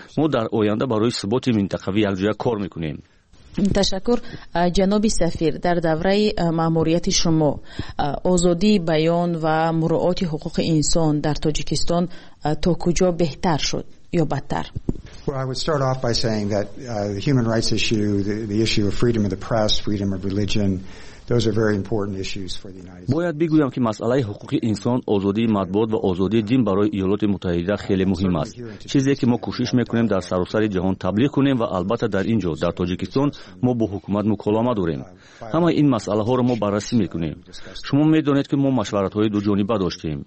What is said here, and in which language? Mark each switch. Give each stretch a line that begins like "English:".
Persian: ما در آینده برای ثبات منطقه یکجا کار میکنیم. تشکر. جناب سفیر، در دوره ماموریت شما آزادی بیان و مراعات حقوق انسان در تاجیکستان تا کجا بهتر شد یا بدتر؟
English: I would start off by saying that the human rights issue, the issue of freedom of the press, freedom of religion, those are very important issues for the United States.
Persian: باید بگویم که مسئله حقوق انسان، آزادی مطبوعات و آزادی دین برای ایالات متحده خیلی مهم است. چیزی که ما کوشش میکنیم در سراسر جهان تبلیغ کنیم و البته در اینجا در تاجیکستان ما با حکومت مکالمه داریم. همه این مسئله ها رو ما بررسی میکنیم. شما میدونید که ما مشورت های دو جانبه داشتیم.